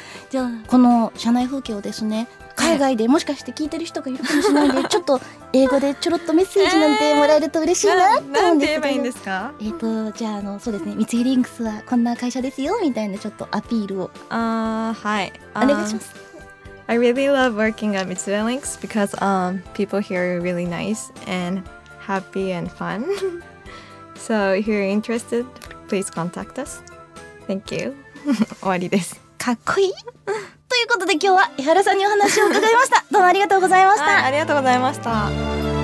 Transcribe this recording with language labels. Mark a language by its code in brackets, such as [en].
[ja] じゃあこの社内風景をですね、海外でもしかして聞いてる人がいるかもしれないんでちょっと英語でちょろっとメッセージなんてもらえると嬉しいなって思うんですけど、なんて言えばいいんですか。じゃあそうですね、三井リンクスはこんな会社ですよみたいなちょっとアピールを。はい、お願いします。 [en] I really love working at Mitsui Links because people here are really nice and happy and fun so if you're interested please contact us. Thank you. [ja] 終わりです。かっこいいということで今日は江原さんにお話を伺いましたどうもありがとうございました。ありがとうございました。